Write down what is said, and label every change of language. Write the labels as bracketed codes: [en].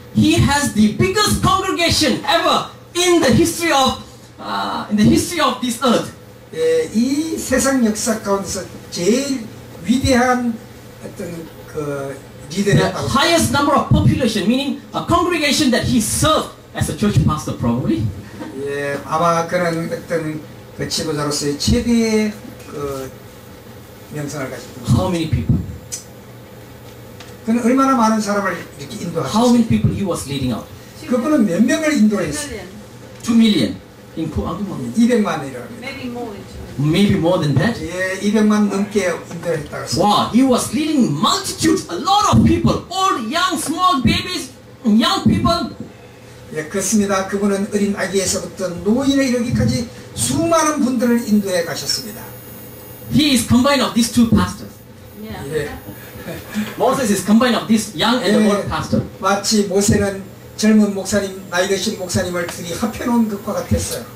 [en] He has the biggest congregation ever in the history of in the history of this earth. [ko] 예, 이 세상 역사 가운데서 제일 위대한 어떤 그 리더였다고. [en] The highest number of population, meaning a congregation that he served as a church pastor, probably. [ko] 예, 아마 그런 어떤 그 지도자로서의 최대의 그 명성을 가지고. [en] How many people? [ko] 그는 얼마나 많은 사람을 이렇게 인도하셨어요? [en] How many people he was leading out? [ko] 그분은 몇 명을 인도했어요? [en] 2 million. [ko] 200만이라. [en] Maybe more than that. [ko] 예, 200만 넘게 인도했다고. [en] Wow, he was leading multitudes, a lot of people, old, young, small, babies, young people. [ko] 예, 그렇습니다. 그분은 어린 아기에서부터 노인에 이르기까지 수많은 분들을 인도해 가셨습니다. [en] He is combined of these two pastors. Yeah. 예. Moses is combined of this young and 예, old pastor. [ko] 마치 모세는 젊은 목사님, 나이 드신 목사님을 둘이 합해 놓은 것과 같았어요.